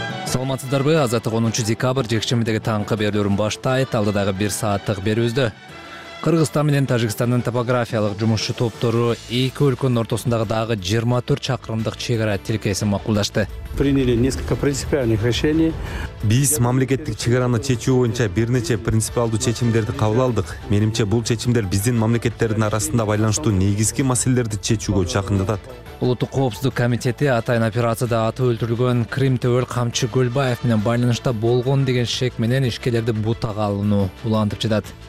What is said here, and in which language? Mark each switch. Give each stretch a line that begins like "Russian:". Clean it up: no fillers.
Kyrgyz: Саламатсыздарбы, Азаттык 10 декабрь жекшембидеги таңкы берүүлөрүн баштайт. Алдыдагы бир сааттык берүүбүздө Кыргызстан менен Тажикстандын топографиялык жумушчу топтору эки өлкөнүн ортосундагы дагы 24 чакырымдык чек ара тилкесин макулдашты.
Russian: Приняли несколько принципиальных решений.
Kyrgyz: Биз мамлекеттик чек араны чечүү боюнча бир нече принципиалдуу чечимдерди кабыл алдык. Менимче бул чечимдер биздин мамлекеттердин арасында байланыштуу негизги маселелерди чечүүгө жакындатат. Улуттук коопсуздук комитети атайын операцияда аты өлтүрүлгөн Крым төбөл Камчы Көлбаев менен байланышта болгон деген шек менен ишкерлерди бутага алынуу улантып жатат.